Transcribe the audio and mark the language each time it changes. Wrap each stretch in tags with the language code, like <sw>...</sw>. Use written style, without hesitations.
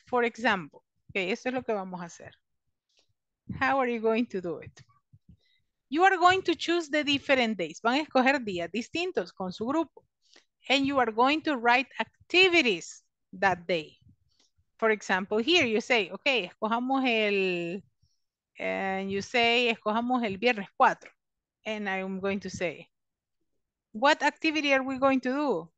<en>For example, okay,</en> <es>esto es lo que vamos a hacer.</es> <en>How are you going to do it? You are going to choose the different days.</en> <es>Van a escoger días distintos con su grupo.</es> <en>And you are going to write activities that day. For example, here you say, okay,</en> <es>escojamos el,</es> <en>and you say,</en> <es>escojamos el viernes 4.</es> <en>And I'm going to say, what activity are we going to do?</en>